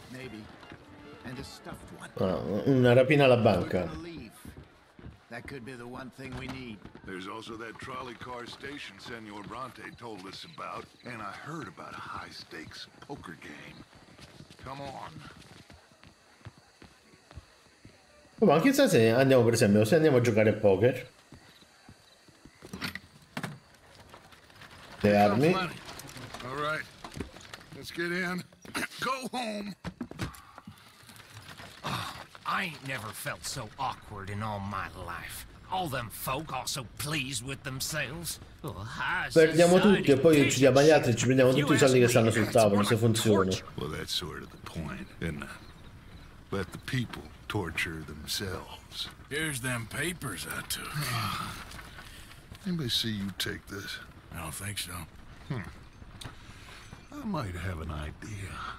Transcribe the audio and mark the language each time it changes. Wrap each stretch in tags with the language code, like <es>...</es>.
<en>Maybe. And a stuffed one.</en> <it>Una rapina alla banca.</it> <en>That could be the one thing we need. There's also that trolley car station Senor Bronte told us about, and I heard about a high-stakes poker game. Come on.</en> <it>Ma chissà se andiamo, per esempio, se andiamo a giocare a poker. Le armi.</it> <en>All right. Let's get in. Go home. I ain't never felt so awkward in all my life. All them folk are so pleased with themselves.</en> <it>Perdiamo tutti e poi uccidiamo gli altri e ci prendiamo tutti i soldi che stanno sul tavolo, se funziona.</it> <en>Well, that's sort of the point, isn't it? Let the people torture themselves. Here's them papers I took. Anybody see you take this? I don't think so. I might have an idea.</en>